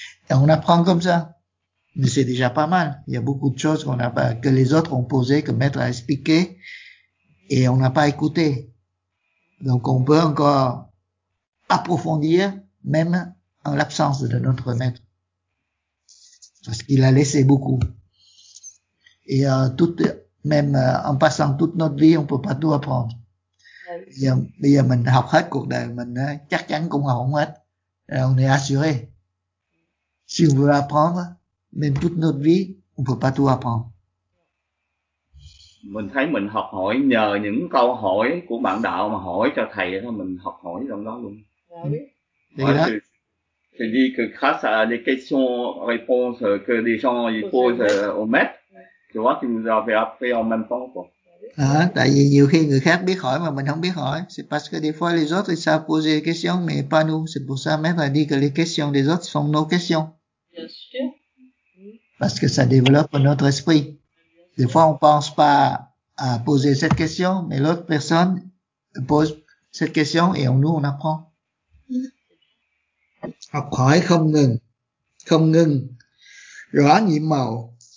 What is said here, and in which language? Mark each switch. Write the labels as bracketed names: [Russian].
[French] Et on apprend comme ça. Mais c'est déjà pas mal. Il y a beaucoup de choses qu'on a pas, que les autres ont posées, que maître a expliqué, et on n'a pas écouté. Donc on peut encore approfondir, même en l'absence de notre maître. parce qu'il a laissé beaucoup. Et en passant toute notre vie, on peut pas tout apprendre. Oui. [Vietnamese] Et, bây giờ mình học hết cuộc đời mình chắc chắn cũng học không hết. [French] Et on est assuré. Si on veut apprendre, même toute notre vie, on peut pas tout apprendre. [Vietnamese] Mình thấy mình học hỏi nhờ những câu hỏi của bạn đạo mà hỏi cho thầy thôi, mình học hỏi trong đó luôn. [French] Tu dis que grâce à des questions-réponses que des gens ils posent au maître, tu vois qu'ils nous avaient appris en même temps quoi. [Vietnamese] Tại vì nhiều khi người khác biết hỏi mà mình không biết hỏi. [French] C'est parce que des fois les autres ils savent poser des questions mais pas nous. C'est pour ça maître a dit que les questions des autres sont nos questions. Parce que ça développe notre esprit. Des fois on pense pas à poser cette question mais l'autre personne pose cette question et nous on apprend. [Vietnamese] Học hỏi không ngừng, không ngừng, rõ nhiệm màu.